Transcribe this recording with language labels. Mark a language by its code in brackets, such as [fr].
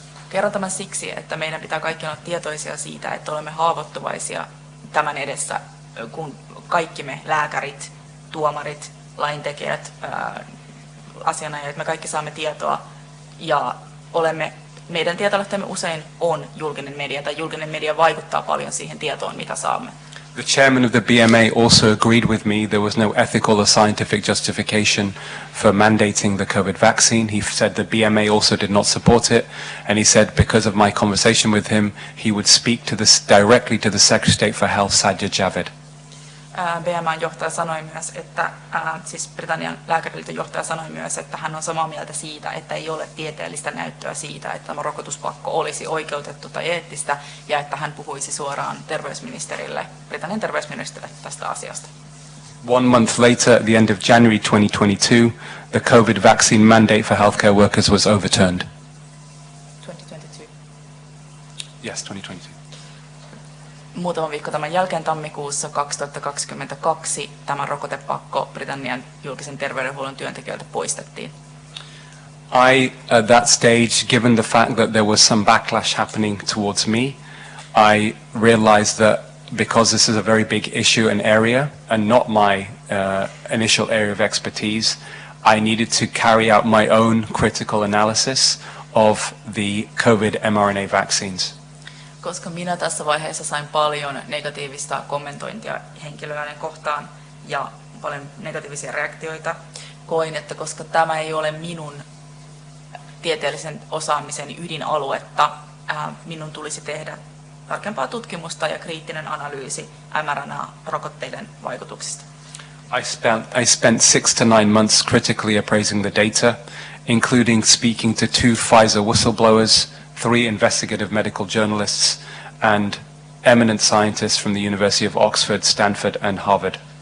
[fi] Kerron tämän siksi, että meidän pitää kaikki olla tietoisia siitä, että olemme haavoittuvaisia tämän edessä, kun kaikki me lääkärit, tuomarit, laintekijät, asianajat, me kaikki saamme tietoa ja olemme, meidän tietolähteemme usein on julkinen media tai julkinen media vaikuttaa paljon siihen tietoon, mitä saamme. [en] The chairman of the BMA also agreed with me there was no ethical or scientific justification for mandating the COVID vaccine. He said the BMA also did not support it, and he said because of my conversation with him, he would speak to this directly to the Secretary of State for Health, Sajid Javid. [fi] BMA:n johtaja sanoi myös, että siis Britannian lääkäriliiton johtaja sanoi myös, että hän on samaa mieltä siitä, että ei ole tieteellistä näyttöä siitä, että tämä rokotuspakko olisi oikeutettu tai eettistä, ja että hän puhuisi suoraan terveysministerille, Britannian terveysministerille tästä asiasta. [en] One month later, at the end of January 2022, the COVID vaccine mandate for healthcare workers was overturned. 2022. Yes, 2022. [fi] Muutama viikko tämän jälkeen tammikuussa 2022 tämä rokotepakko Britannian julkisen terveydenhuollon työntekijöiltä poistettiin. [en] I at that stage, given the fact that there was some backlash happening towards me, I realized that because this is a very big issue and area and not my initial area of expertise, I needed to carry out my own critical analysis of the COVID mRNA vaccines. [fi] Koska minä tässä vaiheessa sain paljon negatiivista kommentointia henkilöiden kohtaan ja paljon negatiivisia reaktioita, koin, että koska tämä ei ole minun tieteellisen osaamisen ydinaluetta, minun tulisi tehdä tarkempaa tutkimusta ja kriittinen analyysi mRNA-rokotteiden vaikutuksista. [en] I spent 6 to 9 months critically appraising the data, including speaking to 2 Pfizer whistleblowers, 3 investigative medical journalists and eminent scientists from the University of Oxford, Stanford and Harvard.